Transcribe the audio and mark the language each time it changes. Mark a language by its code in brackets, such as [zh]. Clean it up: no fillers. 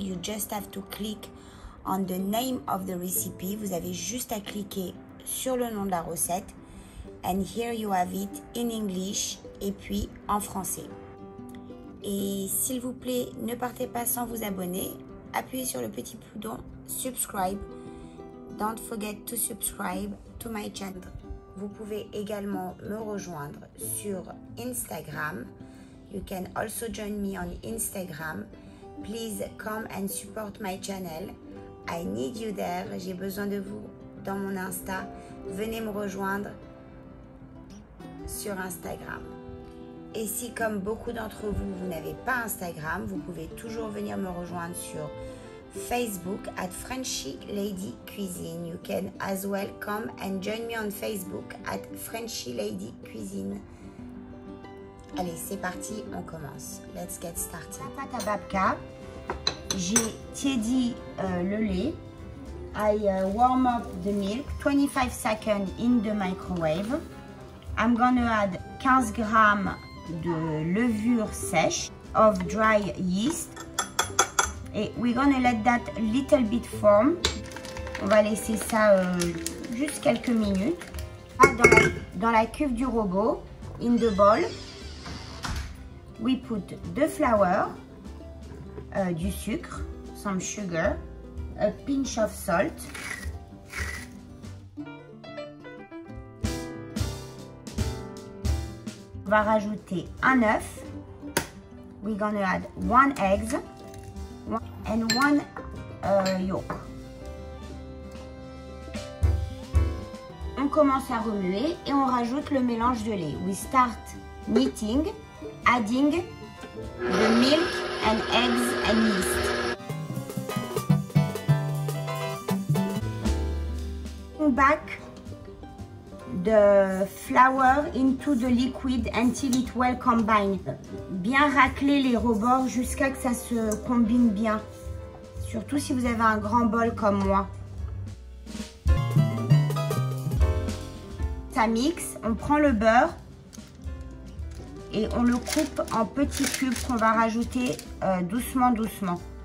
[en] You just have to click on the name of the recipe. [fr] Vous avez juste à cliquer sur le nom de la recette. [en] And here you have it in English [fr] et puis en français. Et s'il vous plaît, ne partez pas sans vous abonner. Appuyez sur le petit bouton [en] subscribe. Don't forget to subscribe to my channel. [fr] Vous pouvez également me rejoindre sur Instagram. [en] You can also join me on Instagram. Please come and support my channel. I need you there. [fr] J'ai besoin de vous dans mon Insta. Venez me rejoindre sur Instagram. Et si, comme beaucoup d'entre vous, vous n'avez pas Instagram, vous pouvez toujours venir me rejoindre sur Facebook at Frenchy Lady Cuisine. [en] You can as well come and join me on Facebook at Frenchy Lady Cuisine. [fr] Allez, c'est parti, on commence. [en] Let's get started. [fr] La pâte à babka, j'ai tiédi le lait. [en] I warm up the milk 25 seconds in the microwave. I'm gonna add 15 grammes [fr] de levure sèche [en] of dry yeast. Et we're gonna let that little bit form. [fr] On va laisser ça juste quelques minutes. Dans la cuve du robot, [en] in the bowl, we put the flour, [fr] du sucre, [en] some sugar, a pinch of salt. [fr] On va rajouter un œuf. [en] We're gonna add one egg. And one yolk. [fr] On commence à remuer et on rajoute le mélange de lait. [en] We start kneading, adding the milk and eggs and yeast. On back the flour into the liquid until it well combined. [fr] Bien racler les rebords jusqu'à que ça se combine bien. Surtout si vous avez un grand bol comme moi. Ça mixe, on prend le beurre et on le coupe en petits cubes qu'on va rajouter doucement, doucement.